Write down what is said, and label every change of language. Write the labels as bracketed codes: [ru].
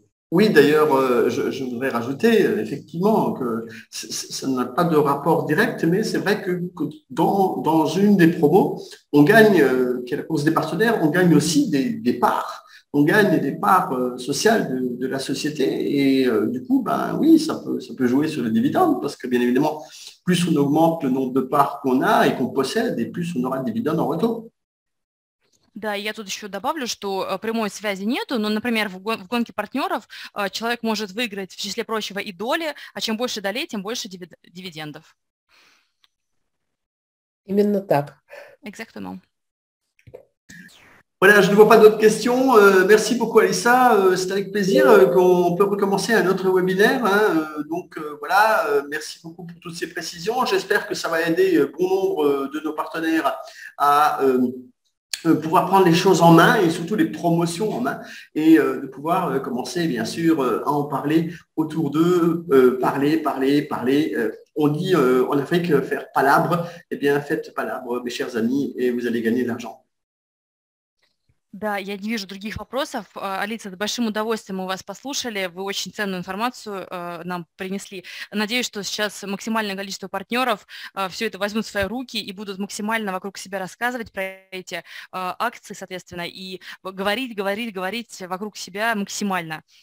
[fr] Oui, d'ailleurs, je voudrais rajouter effectivement que ça n'a pas de rapport direct, mais c'est vrai que dans une des promos, on gagne, qu'elle cause des partenaires, on gagne aussi des parts. On gagne des parts sociales de la société et du coup, ben oui, ça peut jouer sur les dividendes parce que bien évidemment, plus on augmente le nombre de parts qu'on a et qu'on possède, et plus on aura de dividendes en retour. [ru] Да, я тут еще добавлю, что прямой связи нету, но, например, в гонке партнеров человек может выиграть, в числе прочего, и доли, а чем больше долей, тем больше дивидендов. Именно так. [fr] Exactement. Voilà, je ne vois pas d'autres questions. Merci beaucoup, Alissa. C'est avec plaisir qu'on peut recommencer un autre webinaire. Hein. Merci beaucoup pour toutes ces précisions. J'espère que ça va aider bon nombre de nos partenaires à pouvoir prendre les choses en main et surtout les promotions en main et de pouvoir commencer bien sûr à en parler autour d'eux, parler. On dit en Afrique faire palabre, et bien faites palabre, mes chers amis, et vous allez gagner de l'argent. [ru] Да, я не вижу других вопросов. Алиса, с большим удовольствием мы вас послушали. Вы очень ценную информацию нам принесли. Надеюсь, что сейчас максимальное количество партнеров все это возьмут в свои руки и будут максимально вокруг себя рассказывать про эти акции, соответственно, и говорить вокруг себя максимально.